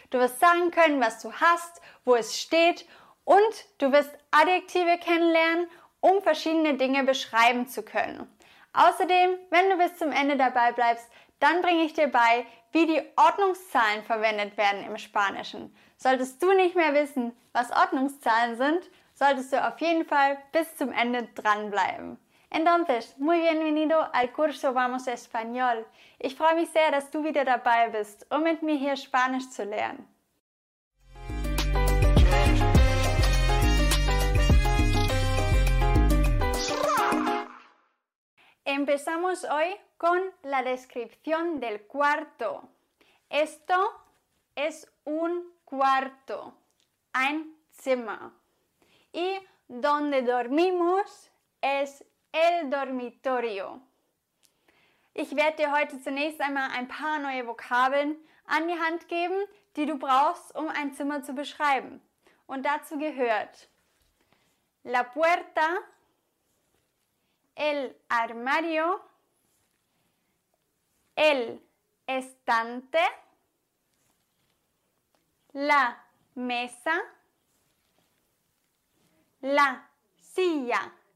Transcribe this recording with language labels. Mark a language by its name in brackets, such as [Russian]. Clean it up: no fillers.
[German] Du wirst sagen können, was du hast, wo es steht und du wirst Adjektive kennenlernen, um verschiedene Dinge beschreiben zu können. Außerdem, wenn du bis zum Ende dabei bleibst, dann bringe ich dir bei, wie die Ordnungszahlen verwendet werden im Spanischen. Solltest du nicht mehr wissen, was Ordnungszahlen sind, solltest du auf jeden Fall bis zum Ende dranbleiben. [Spanish] Entonces, muy bienvenido al curso Vamos Español. [German] Ich freue mich sehr, dass du wieder dabei bist, um mit mir hier Spanisch zu lernen. [Spanish] Empezamos hoy con la descripción del cuarto. Esto es un cuarto, [German] ein Zimmer. [Spanish] Y donde dormimos es el dormitorio. [German] Ich werde dir heute zunächst einmal ein paar neue Vokabeln an die Hand geben, die du brauchst, um ein Zimmer zu beschreiben. Und dazu gehört [Spanish] la puerta, el armario, el estante, la mesa, la silla.